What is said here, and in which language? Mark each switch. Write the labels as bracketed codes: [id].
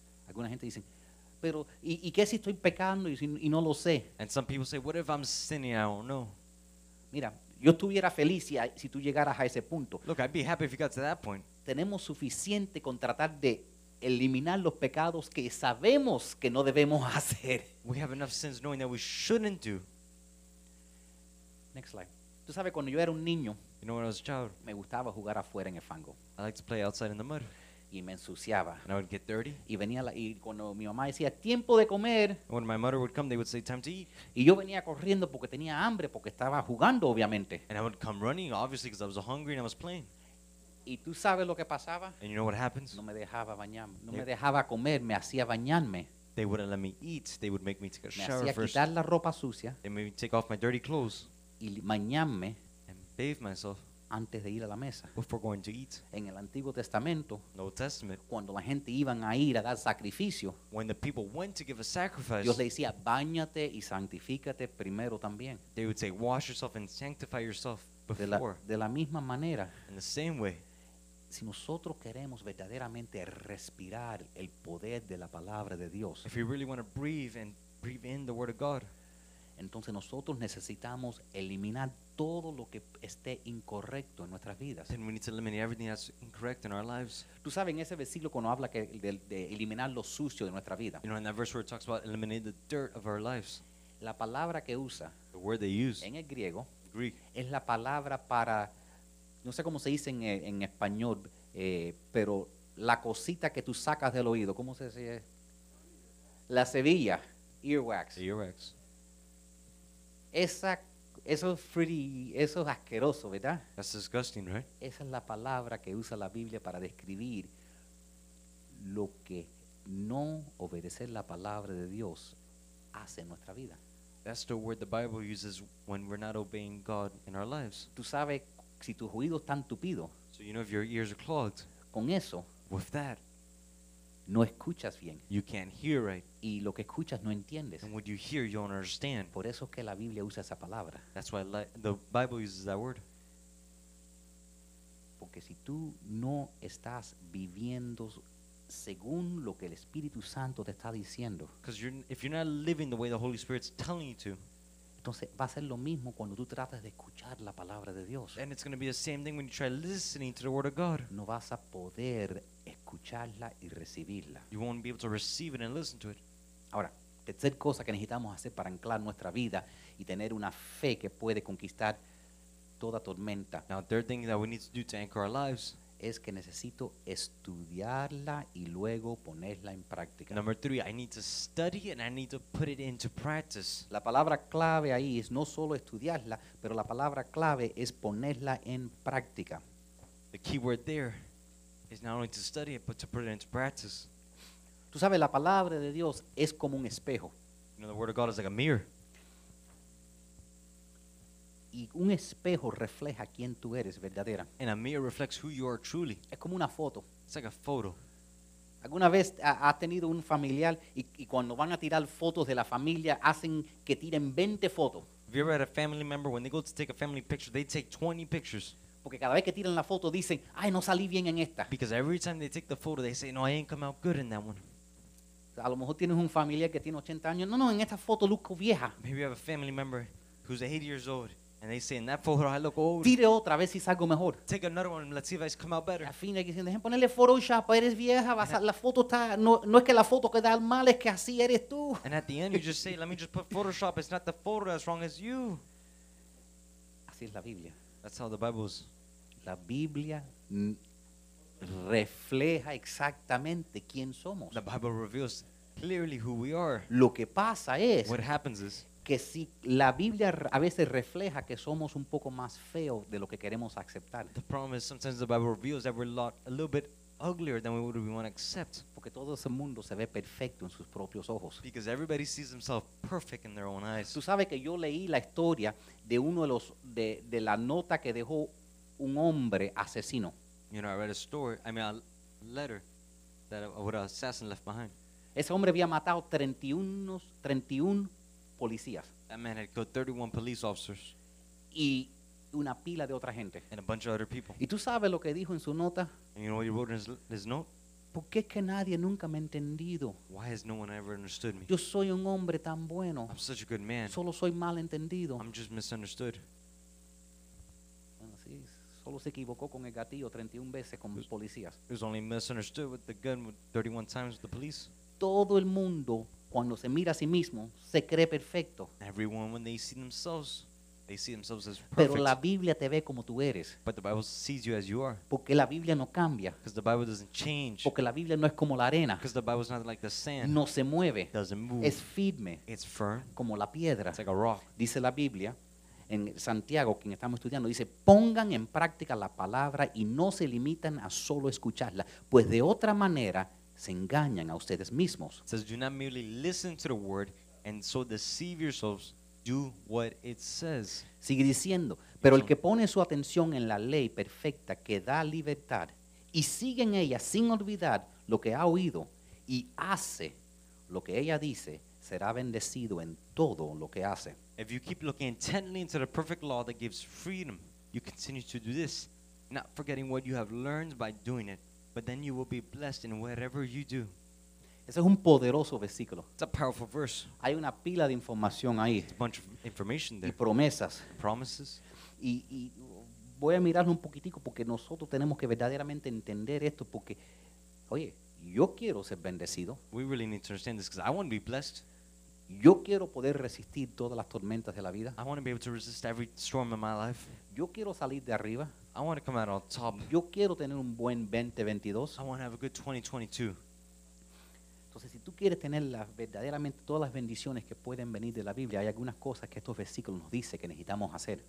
[es] Alguna gente dice, pero ¿y qué si estoy pecando y no lo sé? [en] And some people say, what if I'm sinning and I don't know? [es] Mira, yo estuviera feliz si tú llegaras a ese punto. [en] Look, I'd be happy if you got to that point. [es] Tenemos suficiente con tratar de eliminar los pecados que sabemos que no debemos hacer. [en] We have enough sins knowing that we shouldn't do. Next slide. [es] Tú sabes, cuando yo era un niño, [en] you know, when I was a child, [es] me gustaba jugar afuera en el fango. [en] I liked to play outside in the mud. [es] Y me ensuciaba. [en] And I would get dirty. [es] Y venía y cuando mi mamá decía, tiempo de comer. [en] When my mother would come, they would say, time to eat. [es] Y yo venía corriendo porque tenía hambre, porque estaba jugando, obviamente. [en] And I would come running, obviously, because I was hungry and I was playing. [es] Y tú sabes lo que pasaba. [en] And you know what happens? [es] No me dejaba bañarme. No me dejaba comer, me hacía bañarme. [en] They wouldn't let me eat. They would make me take a shower first. [es] Me hacía quitar la ropa sucia. [en] They made me take off my dirty clothes. [es] Y bañarme [en] and bathe myself [es] antes de ir a la mesa. [en] Before going to eat. [es] En el Antiguo Testamento, [en] the Old Testament, [es] cuando la gente iban a ir a dar sacrificio, [en] when the people went to give a sacrifice, [es] Dios le decía, báñate y santifícate primero también. [en] They would say, wash yourself and sanctify yourself before. [es] De la misma manera, [en] in the same way, [es] si nosotros queremos verdaderamente respirar el poder de la palabra de Dios, [en] if you really want to breathe and breathe in the word of God, [es] entonces nosotros necesitamos eliminar todo lo que esté incorrecto en nuestras vidas. [en] Then we need to eliminate everything that's incorrect in our lives. [es] Tú sabes, en ese versículo cuando habla que de eliminar lo sucio de nuestra vida. [en] You know, in that verse where it talks about eliminate the dirt of our lives. [es] La palabra que usa. [en] The word they use. [es] En el griego. [en] Greek. [es] Es la palabra para, no sé cómo se dice en español, pero la cosita que tú sacas del oído. ¿Cómo se dice? La cebilla. [en] Earwax. The earwax. [es] Esa, Eso es pretty, eso es asqueroso, ¿verdad? [en] That's disgusting, right? [es] Esa es la palabra que usa la Biblia para describir lo que no obedecer la palabra de Dios hace en nuestra vida. [en] That's the word the Bible uses when we're not obeying God in our lives. [es] Tú sabes si tus oídos están tupidos. [en] So you know if your ears are clogged. [es] Con eso. [en] With that. [es] No escuchas bien. [en] You can't hear right. [es] Y lo que escuchas no entiendes. [en] And what you hear, you don't understand. [es] Por eso es que la Biblia usa esa palabra. [en] That's why the Bible uses that word. [es] Porque si tú no estás viviendo según lo que el Espíritu Santo te está diciendo. [en] Because if you're not living the way the Holy Spirit's telling you to. [es] Entonces va a ser lo mismo cuando tú tratas de escuchar la palabra de Dios. [en] And it's going to be the same thing when you try listening to the word of God. [es] No vas a poder escucharla y recibirla. [en] You won't be able to receive it and listen to it. [es] Ahora, tercer cosa que necesitamos hacer para anclar nuestra vida y tener una fe que puede conquistar toda tormenta. [en] Now, third thing that we need to do to anchor our lives. [es] Es que necesito estudiarla y luego ponerla en práctica. [en] Number three, I need to study and I need to put it into practice. [es] La palabra clave ahí es no solo estudiarla, pero la palabra clave es ponerla en práctica. [en] The key word there is not only to study it, but to put it into practice. [es] Tú sabes, la palabra de Dios es como un espejo. [en] You know, the word of God is like a mirror. [es] Y un espejo refleja quién tú eres verdadera. [en] And a mirror reflects who you are truly. [es] Es como una foto. [en] It's like a photo. [es] ¿Alguna vez has tenido un familiar y cuando van a tirar fotos de la familia hacen que tiren 20 fotos? [en] Have you ever had a family member, when they go to take a family picture, they take 20 pictures. [es] Porque cada vez que tiran la foto dicen, ay, no salí bien en esta. [en] Because every time they take the photo, they say, no, I ain't come out good in that one. [es] A lo mejor tienes un familiar que tiene 80 años. No, no, en esta foto luzco vieja. [en] Maybe you have a family member who's 80 years old. And they say, in that photo, I look old. [es] Tire otra vez si salgo mejor. [en] Take another one and let's see if I come out better. [es] Al final, dicen, dejen ponerle Photoshop, eres vieja, la foto está, no es que la foto queda mal, es que así eres tú. [en] And at the end, you just say, let me just put Photoshop, it's not the photo that's wrong, it's you. [es] Así es la Biblia. [en] That's how the Bible is. [es] La Biblia refleja exactamente quién somos. [en] The Bible reveals clearly who we are. [es] Lo que pasa es, [en] what happens is, [es] que si la Biblia a veces refleja que somos un poco más feos de lo que queremos aceptar. [en] The problem is sometimes the Bible reveals that we're a little bit uglier than we would want to accept. [es] Porque todo ese mundo se ve perfecto en sus propios ojos. [en] Because everybody sees themselves perfect in their own eyes. [es] Tú sabes que yo leí la historia de uno de los de la nota que dejó un hombre asesino. [en] You know, I read a story, I mean a letter that what an assassin left behind. [es] Ese hombre había matado 31 policías. [en] That man had killed 31 police officers. [es] Y una pila de otra gente. [en] And a bunch of other people. [es] ¿Y tú sabes lo que dijo en su nota? [en] And you know what he wrote in his note? [es] ¿Por qué es que nadie nunca me ha entendido? [en] Why has no one ever understood me? [es] Yo soy un hombre tan bueno. [en] I'm such a good man. [es] Solo soy mal entendido. [en] I'm just misunderstood. [es] Bueno, sí, solo se equivocó con el gatillo 31 veces con policías. [en] He was only misunderstood with the gun 31 times with the police. [es] Todo el mundo cuando se mira a sí mismo se cree perfecto. [en] Everyone, when they see themselves as perfect. [es] Pero la Biblia te ve como tú eres. [en] But the Bible sees you as you are. [es] Porque la Biblia no cambia. [en] Because the Bible doesn't change. [es] Porque la Biblia no es como la arena. [en] Because the Bible is not like the sand. [es] No se mueve. [en] Doesn't move. [es] Es firme. [en] It's firm. [es] Como la piedra. [en] It's like a rock. [es] Dice la Biblia en Santiago, quien estamos estudiando, dice, pongan en práctica la palabra y no se limitan a solo escucharla, pues de otra manera se engañan a ustedes mismos. [en] It says, do not merely listen to the word and so deceive yourselves. Do what it says. [es] Sigue diciendo, pero el que pone su atención en la ley perfecta que da libertad y sigue en ella sin olvidar lo que ha oído y hace lo que ella dice, será bendecido en todo lo que hace. [en] If you keep looking intently into the perfect law that gives freedom, you continue to do this, not forgetting what you have learned by doing it. But then you will be blessed in whatever you do. [es] Ese es un poderoso versículo. [en] It's a powerful verse. [es] Hay una pila de información ahí. [en] It's a bunch of information there. [es] Y promesas. [en] Promises. [es] Y voy a mirarlo un poquitico porque nosotros tenemos que verdaderamente entender esto porque, oye, yo quiero ser bendecido. [en] We really need to understand this because I want to be blessed. [es] Yo quiero poder resistir todas las tormentas de la vida. [en] I want to be able to resist every storm in my life. [es] Yo quiero salir de arriba. [en] I want to come out on top. [es] Yo quiero tener un buen 2022. [en] I want to have a good 2022. [es] Entonces, si tú quieres tener la, verdaderamente todas las bendiciones que pueden venir de la Biblia, hay algunas cosas que estos versículos nos dicen que necesitamos hacer.